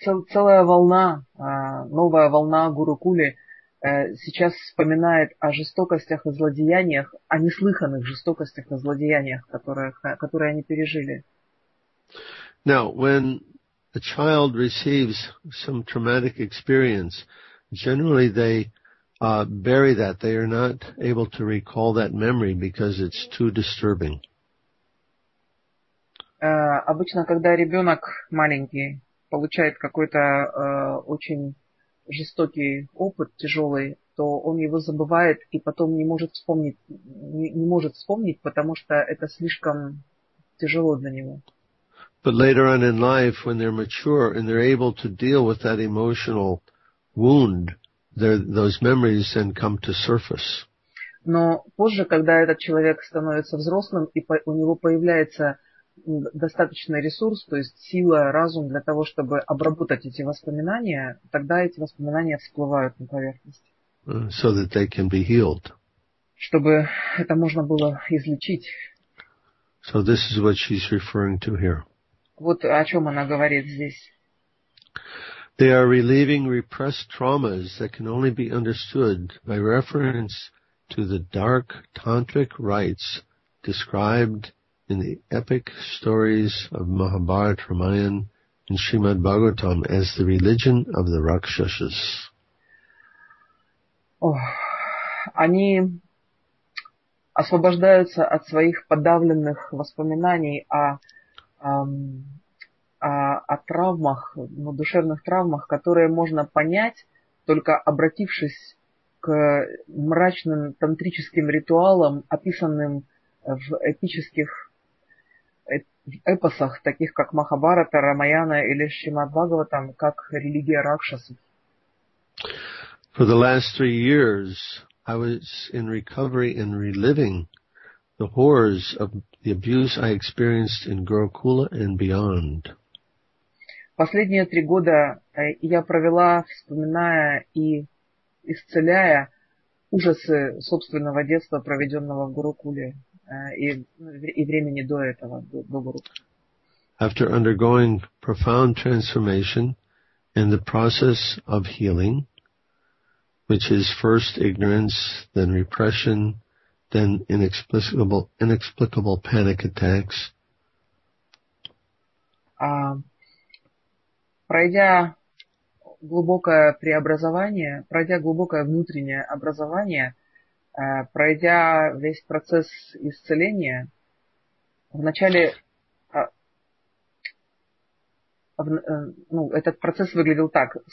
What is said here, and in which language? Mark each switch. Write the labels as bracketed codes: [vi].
[ru] Целая волна, новая волна Гурукули сейчас вспоминает о жестокостях и злодеяниях, о неслыханных жестокостях и злодеяниях, которые они пережили. [en] Now, when a child receives some traumatic experience, generally they bury that. They are not able to recall that memory because it's too disturbing. [ru] Обычно, когда ребенок маленький получает какой-то очень жестокий опыт, тяжелый, то он его забывает и потом не может вспомнить, потому что это слишком тяжело для него. [en] But later on in life, when they're mature and they're able to deal with that emotional wound, those memories then come to surface. [ru] Но позже, когда этот человек становится взрослым и у него появляется достаточный ресурс, то есть сила, разум для того, чтобы обработать эти воспоминания, тогда эти воспоминания всплывают на поверхность. [en] So that they can be healed. [ru] Чтобы это можно было излечить. [en] So this is what she's referring to here. [ru] Вот о чем она говорит здесь. [en] They are relieving repressed traumas that can only be understood by reference to the dark tantric rites described in the epic stories of Mahabharata, Ramayana and Srimad Bhagavatam as the religion of the Rakshasas. [ru] Они освобождаются от своих подавленных воспоминаний о травмах, ну, душевных травмах, которые можно понять, только обратившись к мрачным тантрическим ритуалам, описанным в эпических эпосах, таких как Махабарата, Рамаяна или Шримад Бхагаватам, как религия ракшасов. [en] For the last 3 years I was in recovery and reliving the horrors of the abuse I experienced in Gurukula and beyond. [ru] Последние 3 года я провела, вспоминая и исцеляя ужасы собственного детства, проведенного в Гурукуле и времени до этого, до Гурукулы. [en] After undergoing profound transformation and the process of healing, which is first ignorance, then repression, than inexplicable panic attacks. [ru] Пройдя глубокое преобразование, пройдя глубокое внутреннее образование, пройдя весь процесс исцеления, этот процесс выглядел так.